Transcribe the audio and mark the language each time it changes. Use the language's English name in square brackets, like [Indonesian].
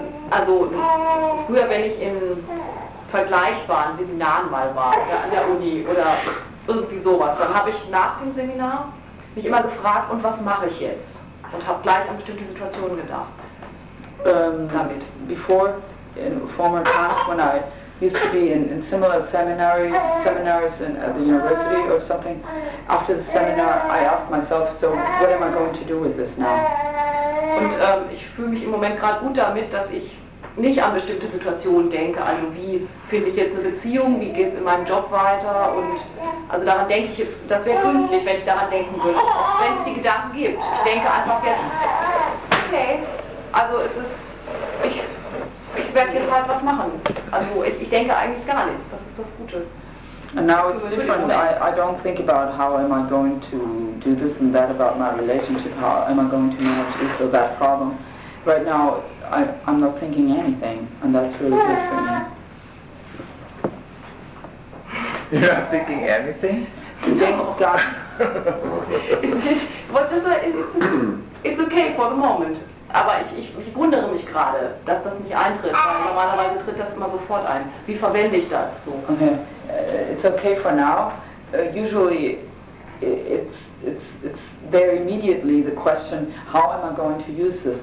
[German] Also früher, wenn ich in vergleichbaren Seminaren mal war, oder an der Uni oder irgendwie sowas, dann habe ich nach dem Seminar mich immer gefragt, und was mache ich jetzt? Und habe gleich an bestimmte Situationen gedacht. Damit. [English] Before, in former times, when I used to be in similar seminaries in, at the university or something, after the seminar I asked myself, so what am I going to do with this now? [German] Und ich fühle mich im Moment gerade gut damit, dass ich nicht an bestimmte Situationen denke, also wie finde ich jetzt eine Beziehung, wie geht es in meinem Job weiter und also daran denke ich jetzt, das wäre künstlich, wenn ich daran denken würde, wenn es die Gedanken gibt. Ich denke einfach jetzt, okay, also es ist, ich werde jetzt halt was machen. Also ich denke eigentlich gar nichts, das ist das Gute. [English] And now it's different. I don't think about how am I going to do this and that about my relationship, how am I going to manage this or that problem. Right now, I'm not thinking anything, and that's really good for me. You're not thinking anything? Thanks God. it's okay for the moment. [German] Aber ich wundere mich gerade, dass das nicht eintritt, weil normalerweise tritt das immer sofort ein. Wie verwende ich das so? [English] Okay. It's okay for now. Usually, it's there immediately, the question, how am I going to use this?